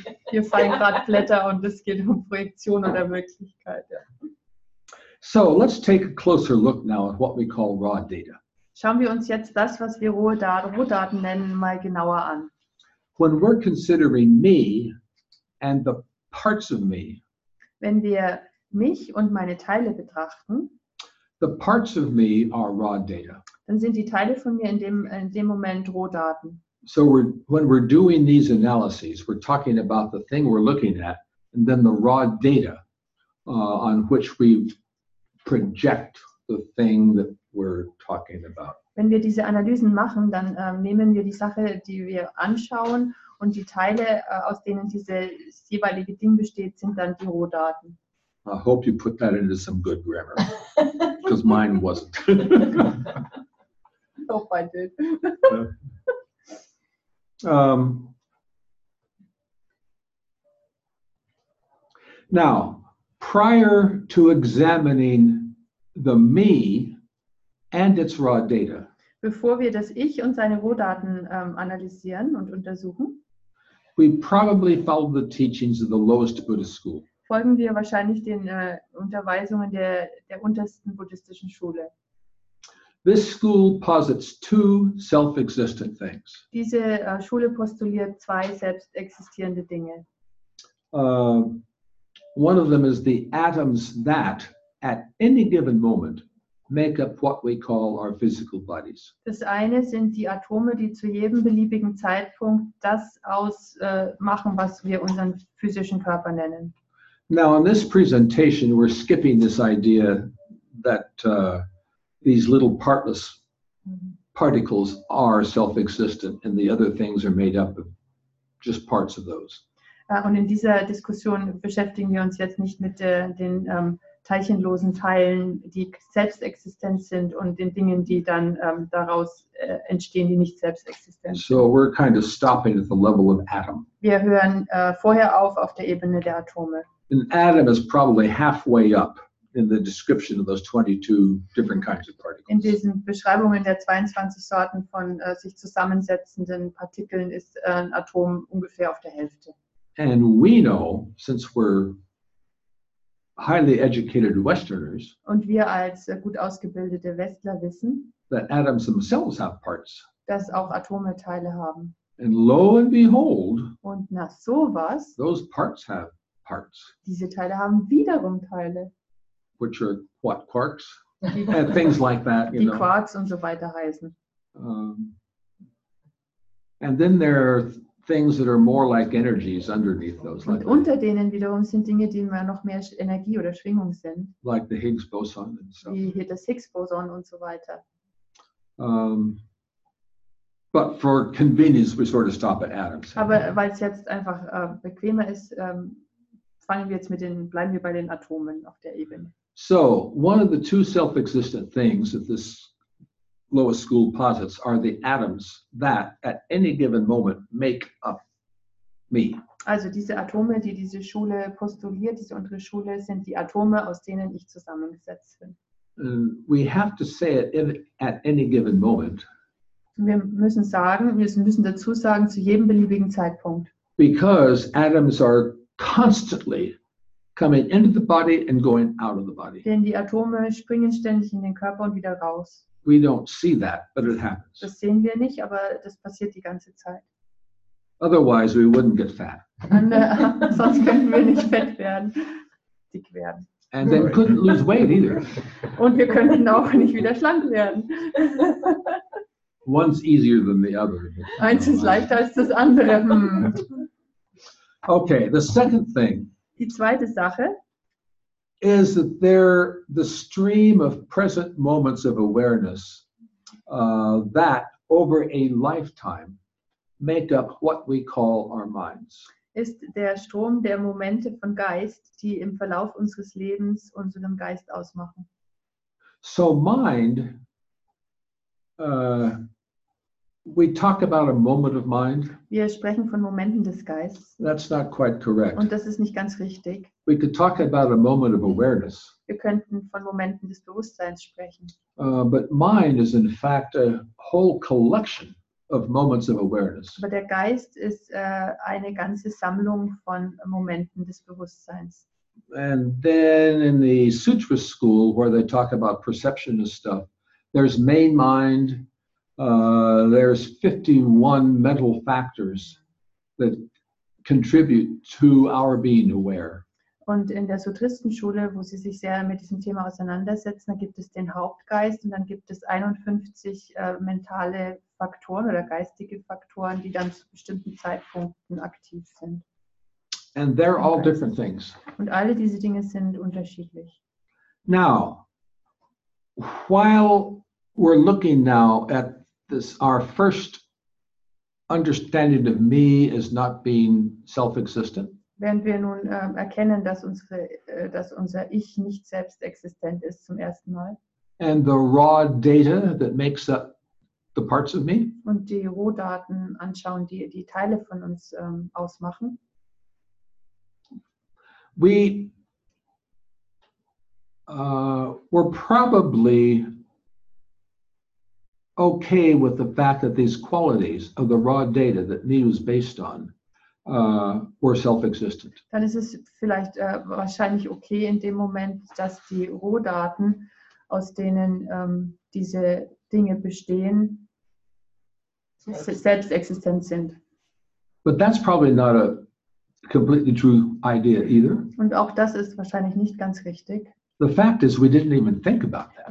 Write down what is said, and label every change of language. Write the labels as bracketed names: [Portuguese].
[German] Wir fallen gerade Blätter und es geht um Projektion oder Wirklichkeit. Ja. [English] So, let's take a closer look now at what we call raw data. [German] Schauen wir uns jetzt das, was wir Rohdaten nennen, mal genauer an. [English] When we're considering me and the parts of me, [German] wenn wir mich und meine Teile betrachten, [English] the parts of me are raw data. [German] Dann sind die Teile von mir in dem Moment Rohdaten. [English] So when we're doing these analyses, we're talking about the thing we're looking at and then the raw data on which we project the thing that we're talking about. [German] Wenn wir diese Analysen machen, dann nehmen wir die Sache, die wir anschauen, und die Teile, aus denen dieses jeweilige Ding besteht, sind dann die Rohdaten. [English] I hope you put that into some good grammar, because mine wasn't. I hope I did. Now, prior to examining the me and its raw data, [German] bevor wir das Ich und seine Rohdaten analysieren und untersuchen, [English] we probably follow the teachings of the lowest Buddhist school. [German] Folgen wir wahrscheinlich den Unterweisungen der untersten buddhistischen Schule. [English] This school posits two self-existent things. [German] Diese Schule postuliert zwei selbst existierende Dinge. [English] One of them is the atoms that, at any given moment, make up what we call our physical bodies. [German] Das eine sind die Atome, die zu jedem beliebigen Zeitpunkt das ausmachen, was wir unseren physischen Körper nennen. [English] Now, in this presentation, we're skipping this idea that these little partless particles are self-existent and the other things are made up of just parts of those. [German] Und in dieser Diskussion beschäftigen wir uns jetzt nicht mit den teilchenlosen Teilen, die selbst existent sind, und den Dingen, die dann daraus entstehen, die nicht selbst existent sind. [English] So we're kind of stopping at the level of atom. [German] Wir hören vorher auf der Ebene der Atome. [English] An atom is probably halfway up in the description of those 22 different kinds of particles. [German] In diesen Beschreibungen der 22 Sorten von sich zusammensetzenden Partikeln ist ein Atom ungefähr auf der Hälfte. [English] And we know, since we're highly educated Westerners, [German] und wir als gut ausgebildete Westler wissen, [English] that atoms themselves have parts, [German] dass auch Atome Teile haben. [English] And lo and behold, [German] und nach sowas, [English] those parts have parts. [German] Diese Teile haben wiederum Teile. [English] Which are what, quarks? And things like that, you [German] die [English] know. [German] Quarks und so weiter heißen. [English] And then there are things that are more like energies underneath those. [German] Und [English] like [German] unter denen wiederum sind Dinge, die mehr noch mehr Energie oder Schwingung sind. [English] Like the Higgs boson and stuff. [German] Wie hier das Higgs boson und so weiter. [English] But for convenience, we sort of stop at atoms. [German] Aber weil es jetzt einfach bequemer ist, fangen wir jetzt mit den, bleiben wir bei den Atomen auf der Ebene. [English] So, one of the two self-existent things of this lowest school posits are the atoms that at any given moment make up me. [German] Also diese Atome, die diese Schule postuliert, diese untere Schule, sind die Atome, aus denen ich zusammengesetzt bin. [English] We have to say it at any given moment. [German] Wir müssen sagen, wir müssen dazu sagen, zu jedem beliebigen Zeitpunkt. [English] Because atoms are constantly coming into the body and going out of the body. [German] Denn die Atome springen ständig in den Körper und wieder raus. [English] We don't see that, but it happens. [German] Das sehen wir nicht, aber das passiert die ganze Zeit. [English] Otherwise we wouldn't get fat. [German] Und, sonst könnten wir nicht fett werden, dick werden. [English] And then couldn't lose weight either. [German] Und wir könnten auch nicht wieder schlank werden. [English] One's easier than the other. [German] Eins ist leichter als das andere. [English] Okay, the second thing. [German] Die zweite Sache. [English] Is that there the stream of present moments of awareness that over a lifetime make up what we call our minds. [German] Ist der Strom der Momente von Geist, die im Verlauf unseres Lebens unseren Geist ausmachen. [English] So mind, we talk about a moment of mind. [German] Wir sprechen von Momenten des Geistes. [English] That's not quite correct. [German] Und das ist nicht ganz richtig. [English] We could talk about a moment of awareness. [German] Wir könnten von Momenten des Bewusstseins sprechen. [English] But mind is in fact a whole collection of moments of awareness. [German] Aber der Geist ist eine ganze Sammlung von Momenten des Bewusstseins. [English] And then in the Sutra school, where they talk about perception and stuff, there's main mind, there's 51 mental factors that contribute to our being aware. [German] Und in der Sutristenschule, wo sie sich sehr mit diesem Thema auseinandersetzen, da gibt es den Hauptgeist und dann gibt es 51 mentale Faktoren oder geistige Faktoren, die dann zu bestimmten Zeitpunkten aktiv sind. [English] And they're all different things. [German] Und alle diese Dinge sind unterschiedlich. [English] Now, while we're looking now at this, our first understanding of me as not being self-existent, [German] während wir nun erkennen, dass unsere, dass unser Ich nicht selbst existent ist zum ersten Mal. [English] And the raw data that makes up the parts of me. [German] Und die Rohdaten anschauen, die die Teile von uns ausmachen. [English] We're probably okay with the fact that these qualities of the raw data that me was based on were self-existent. [German] Dann ist es vielleicht wahrscheinlich okay in dem Moment, dass die Rohdaten, aus denen diese Dinge bestehen, selbstexistent sind. [English] But that's probably not a completely true idea either. [German] Und auch das ist wahrscheinlich nicht ganz richtig. [English] The fact is, we didn't even think about that.